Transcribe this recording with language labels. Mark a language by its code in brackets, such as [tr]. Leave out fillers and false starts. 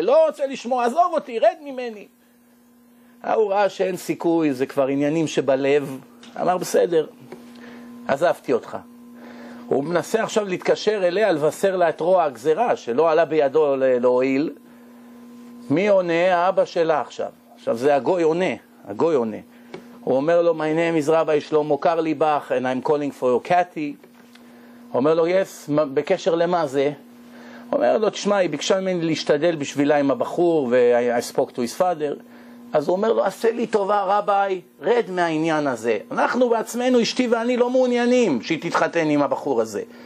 [he] לא רוצה לשמוע, עזוב אותי, רד ממני. הוא ראה שאין סיכוי, זה כבר עניינים שבלב. אמר, בסדר, עזבתי אותך. הוא מנסה עכשיו להתקשר אליה, לבשר לה את רוע הגזרה, שלא עלה בידו להועיל. מי עונה? האבא שלה עכשיו. עכשיו זה הגוי עונה, הגוי עונה. הוא אומר לו, [en] my name is Rabbi Shlomo Karlibach, and I'm calling for your Kathy. [he] הוא אומר לו, yes, בקשר למה זה? הוא אומר לו, תשמע, היא ביקשה ממני להשתדל בשבילה עם הבחור, [en] I spoke to his father. [he] אז הוא אומר לו, עשה לי טובה רבי, רד מהעניין הזה. אנחנו בעצמנו, אשתי ואני, לא מעוניינים שהיא תתחתן עם הבחור הזה.